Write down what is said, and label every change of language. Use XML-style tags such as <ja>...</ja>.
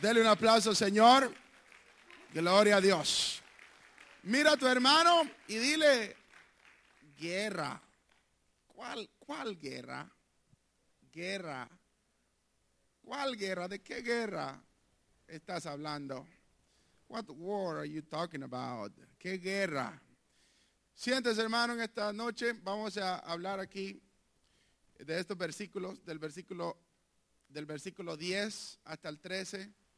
<es>Dele un aplauso, Señor. Gloria a Dios. Mira a tu hermano y dile, guerra. ¿Cuál guerra? Guerra. ¿Cuál guerra? ¿De qué guerra estás hablando?</es> <en>What war are you talking about?</en> <es>¿Qué guerra? Siéntese, hermano, en esta noche vamos a hablar aquí de estos versículos, del versículo 10 hasta el 13.</es>